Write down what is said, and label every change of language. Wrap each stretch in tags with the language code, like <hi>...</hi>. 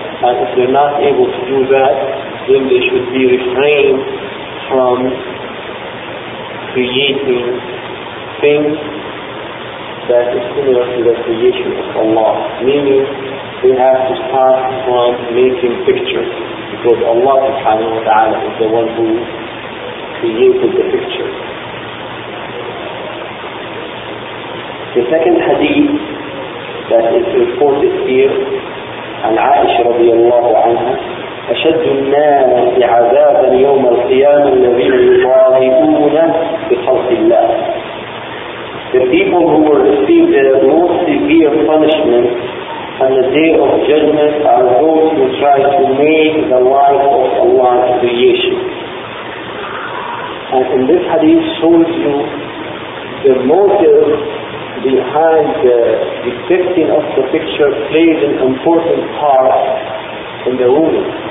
<en>And if they're not able to do that, then they should be refrained from creating things that is similar to the creation of Allah. Meaning, they have to start from making pictures, because Allah subhanahu wa ta'ala is the one who created the pictures. The second hadith that is reported here,</en> <ar>عن عائشة رضي الله عنها أشد الناس عذابا يوم القيامة الذين يضاهئون بخلق الله.</ar> <en>The people who will receive the most severe punishment on the day of judgment are those who try to make the life of Allah's creation. And in this hadith shows you the motive behind the depicting of the picture plays an important part in the ruling.</en>